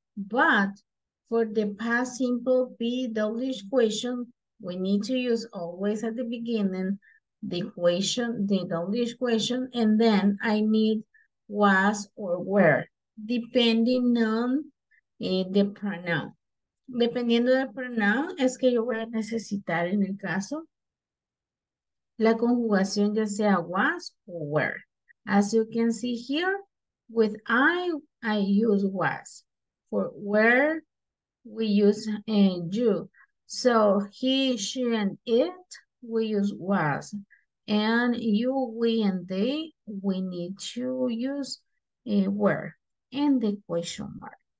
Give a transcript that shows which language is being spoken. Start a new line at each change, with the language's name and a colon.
English: But for the past simple be WH question, we need to use always at the beginning the question, the WH question, and then I need was or were, depending on the pronoun.
Spanish: Dependiendo del pronoun, es que yo voy a necesitar en el caso la conjugación ya sea was or were.
English: As you can see here, with I use was. For were, we use you. So he, she, and it, we use was. And you, we, and they, we need to use a word and the question mark.